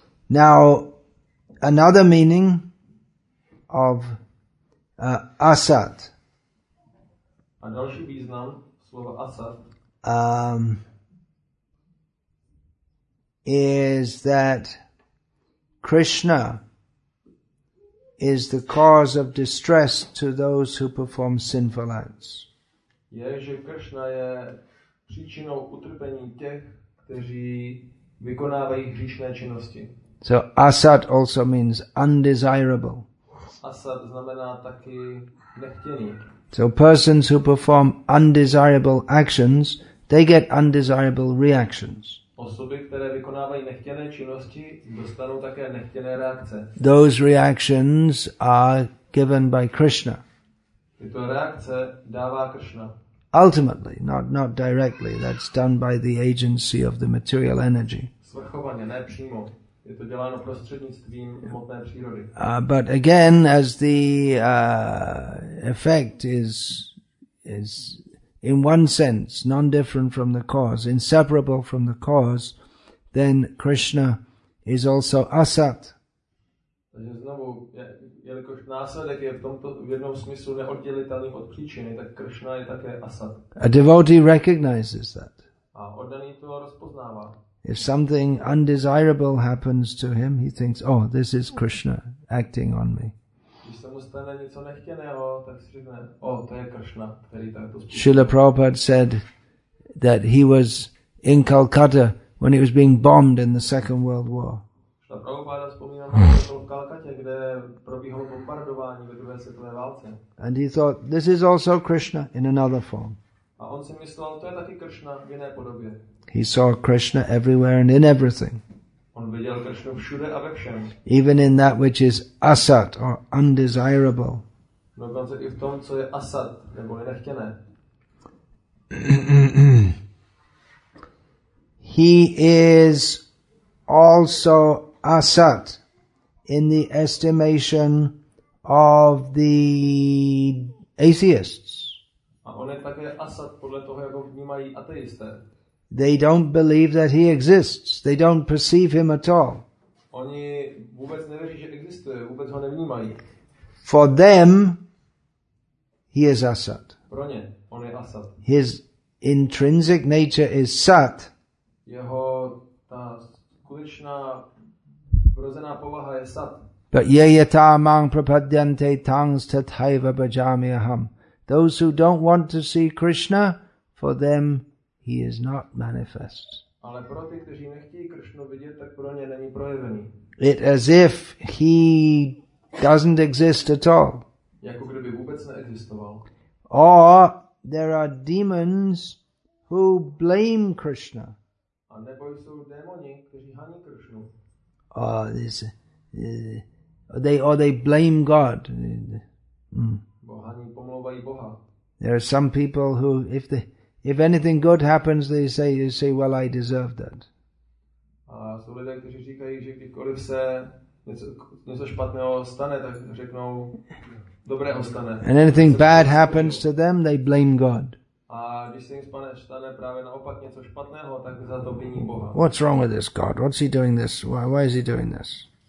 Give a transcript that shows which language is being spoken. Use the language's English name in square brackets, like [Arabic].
[English] Now another meaning of asat. [Czech] A další význam slova asat [English] is that Krishna is the cause of distress to those who perform sinful acts. [Czech] Je, že Krishna je příčinou utrpení těch, kteří vykonávají hříšné činnosti. [English] So asat also means undesirable. [Czech] Asat znamená taky nechtěný. [English] So persons who perform undesirable actions, they get undesirable reactions. [Czech] Osoby, které vykonávají nechtěné činnosti, dostanou také nechtěné reakce. [English] Those reactions are given by Krishna. [Czech] Tyto reakce dává Krishna. [English] Ultimately, not directly, that's done by the agency of the material energy. [Czech] Svrchovaně, ne přímo. Je to děláno prostřednictvím hmotné přírody. [English] But again, as the effect is in one sense, non-different from the cause, inseparable from the cause, then Krishna is also asat. [Czech] Takže znovu, jelikož následek je v jednom smyslu neoddělitelný od příčiny, tak Krishna je také asat. [English] A devotee recognizes that. [Czech] A oddaný to rozpoznává. [English] If something undesirable happens to him, he thinks, oh, this is Krishna acting on me. [Czech] Když se mu stane něco nechtěného, tak si řekne, oh, to je Krishna, který takto způsobí. [English] Srila Prabhupada said that he was in Calcutta when he was being bombed in the Second World War. [Czech] Srila Prabhupada vzpomíná, že byl v Calcutta, kde probíhalo bombardování ve druhé světové válce. [English] And he thought, this is also Krishna in another form. [Czech] A on si myslel, to je taky Krishna v jiné podobě. [English] He saw Krishna everywhere and in everything. [Czech] On viděl Krishnu všude a ve všem. [English] Even in that which is asat or undesirable. [Czech] Dokonce i v tom, co je asat, nebo je nechtěné. [English] He is also asat in the estimation of the atheists. [Czech] A on je také asat podle toho, jak ho vnímají ateisté. [English] They don't believe that he exists. They don't perceive him at all. [Czech] Oni vůbec nevěří, že existuje, vůbec ho nevnímají. [English] For them, he is asat. [Czech] Pro ně, on je asat. [English] His intrinsic nature is sat. [Czech] Jeho ta skutečná vrozená povaha je sat. [Sanskrit] But ye yata mang prapadyante tangs tathaiva bhajami aham. [English] Those who don't want to see Krishna, for them he is not manifest. [Czech] Ale pro ty, kteří nechtějí Krishnu vidět, tak pro ně není projevený. [English] It as if he doesn't exist at all. [Czech] Jako kdyby vůbec neexistoval. [English] Or there are demons who blame Krishna. [Czech] A nebo jsou démoni, kteří haní Krishnu. [English] Or they blame God. [Czech] Bohani pomlouvají Boha. [English] There are some people who, if anything good happens, they say, well, I deserve that. [Czech] A jsou lidé, kteří říkají, že kdykoliv se něco špatného stane, tak řeknou, dobrého stane. [English] And anything bad happens to them, they blame God. [Czech] A když se jim stane právě naopak něco špatného, tak za to viní Boha. [English] What's wrong with this God? What's he doing this? Why is he doing this?